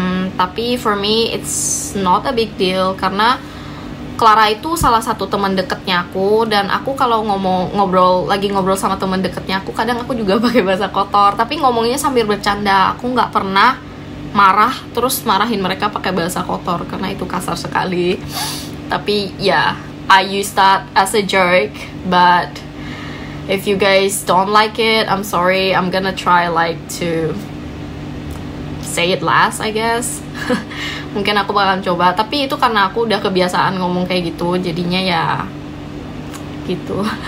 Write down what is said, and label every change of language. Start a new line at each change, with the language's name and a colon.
Indonesian: Tapi
English: for me it's not a big deal
Indonesian: karena Clara itu salah satu teman dekatnya aku, dan aku kalau ngobrol sama teman dekatnya aku, kadang aku juga pakai bahasa kotor, tapi ngomongnya sambil bercanda. Aku nggak pernah marah terus marahin mereka pakai bahasa kotor karena itu kasar sekali. Tapi ya,
English: yeah, I used that as a joke, but if you guys don't like it, I'm sorry. I'm gonna try like to say it last, I guess.
Indonesian: Mungkin aku bakalan coba, tapi itu karena aku udah kebiasaan ngomong kayak gitu, jadinya ya gitu.